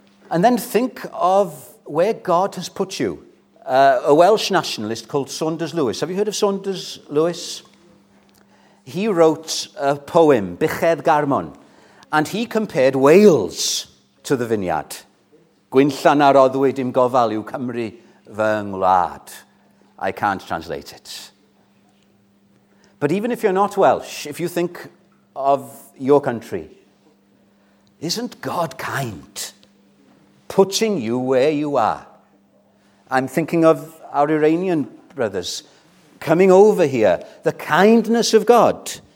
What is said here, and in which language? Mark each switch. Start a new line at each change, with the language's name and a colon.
English: And then think of where God has put you. A Welsh nationalist called Saunders Lewis. Have you heard of Saunders Lewis? He wrote a poem, Bichedd Garmon, and he compared Wales to the vineyard.
Welsh: Gwynllan a roddwyd im gofal yw Cymru fy ngwlad.
English: I can't translate it. But even if you're not Welsh, if you think of your country, isn't God kind, putting you where you are? I'm thinking of our Iranian brothers coming over here, the kindness of God.